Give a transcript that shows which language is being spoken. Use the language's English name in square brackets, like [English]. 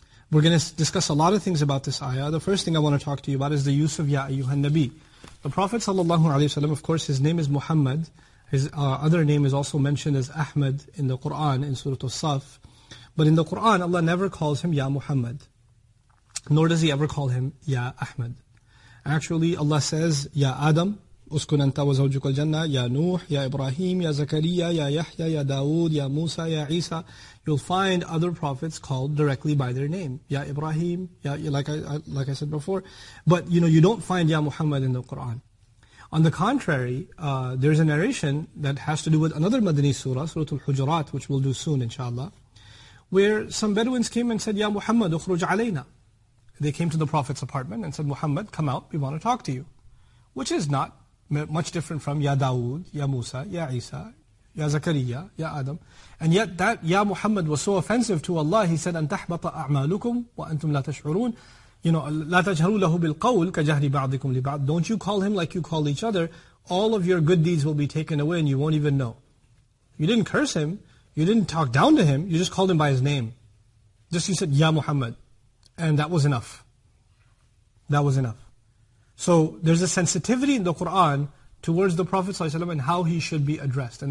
[English] We're going to discuss a lot of things about this ayah. The first thing I want to talk to you about is the use of Ya Ayyuhan Nabi. The Prophet sallallahu alaihi wasallam, of course, his name is Muhammad. His other name is also mentioned as Ahmad in the Qur'an, in Surah As-Saff. But in the Qur'an, Allah never calls him Ya Muhammad. Nor does He ever call him Ya Ahmad. Actually, Allah says, [Arabic] Ya Adam, أُسْكُنْ أَنْتَ وَزَوْجُكَ الْجَنَّةِ يَا نُوحِ يَا إِبْرَاهِيمِ يَا زَكَرِيَّا يَا يَحْيَا يَا دَاوُدِ يَا مُوسَى يَا عِيسَى. [English] You'll find other prophets called directly by their name. Ya Ibrahim, ya, like I said before. But you know, you don't find Ya Muhammad in the Qur'an. On the contrary, there's a narration that has to do with another Madani surah, Surah Al-Hujurat, which we'll do soon, inshallah, where some Bedouins came and said, [Arabic] Ya Muhammad, ukhruj alayna. [English] They came to the Prophet's apartment and said, Muhammad, come out, we want to talk to you. Which is not much different from Ya Dawood, Ya Musa, Ya Isa, Ya Zakariya, Ya Adam. And yet that Ya Muhammad was so offensive to Allah, He said, [Arabic] أَنْتَحْبَطَ أَعْمَالُكُمْ وَأَنْتُمْ لَا تَشْعُرُونَ. [English] You know, [Arabic] لَا تَجْهَرُوا لَهُ بِالْقَوْلِ كَجَهْرِ بَعْضِكُمْ لِبَعْضِ. [English] Don't you call Him like you call each other. All of your good deeds will be taken away and you won't even know. You didn't curse Him. You didn't talk down to Him. You just called Him by His name. Just you said, Ya Muhammad. And that was enough. That was enough. So there's a sensitivity in the Qur'an towards the Prophet ﷺ and how he should be addressed.